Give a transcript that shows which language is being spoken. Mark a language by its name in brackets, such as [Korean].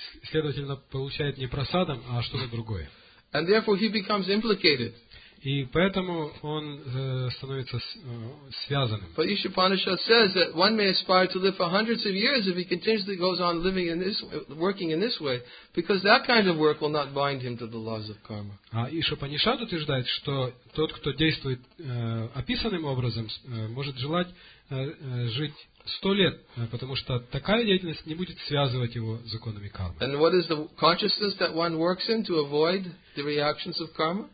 [Russian] Следовательно, получает не прасадам, а что-то другое. [English] And therefore he becomes implicated. [Russian] И поэтому он становится связанным. [English] But Ishi Upanishad says that one may aspire to live for hundreds of years if he continuously goes on living in this, working in this way, because that kind of work will not bind him to the laws of karma. [Russian] А Ishi Upanishad утверждает, что тот, кто действует описанным образом, может желать жить 100 лет, потому что такая деятельность не будет связывать его с законами кармы. [English] And what is the consciousness that one works in to avoid the reactions of karma?